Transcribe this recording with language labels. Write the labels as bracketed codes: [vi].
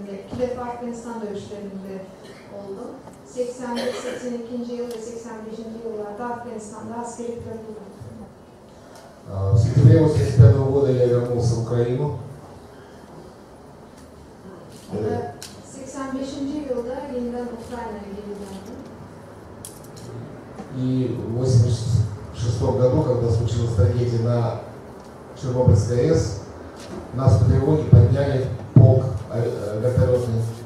[tr] İki defa Afganistan dövüşlerinde oldum. 81-82 yıl ve 85. yıllarda Afganistan'da askeri pilotluk yaptım. [ru] В сентябре 85 года я вернулся в Украину. [tr] 85. yılda yeniden Ukrayna'ya geri döndüm. [ru] И в 86 году, когда случилась трагедия на Чернобыльской АЭС, нас по тревоге подняли полк вертолетный.